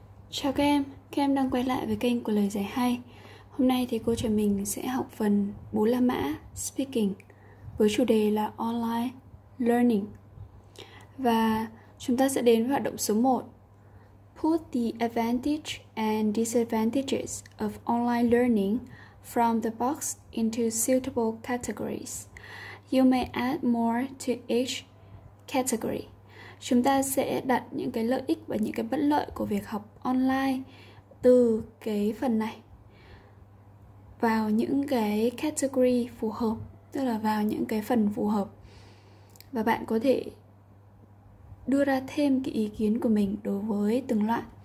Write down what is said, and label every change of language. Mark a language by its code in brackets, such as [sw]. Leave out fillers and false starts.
[vi] Chào các em đang quay lại với kênh của Lời Giải Hay. Hôm nay thì cô trò mình sẽ học phần 4 La Mã Speaking với chủ đề là Online Learning. Và chúng ta sẽ đến với hoạt động số 1. [en] Put the advantage and disadvantages of online learning from the box into suitable categories. You may add more to each category. [vi] Chúng ta sẽ đặt những cái lợi ích và những cái bất lợi của việc học online từ cái phần này vào những cái category phù hợp, tức là vào những cái phần phù hợp. Và bạn có thể đưa ra thêm cái ý kiến của mình đối với từng loại.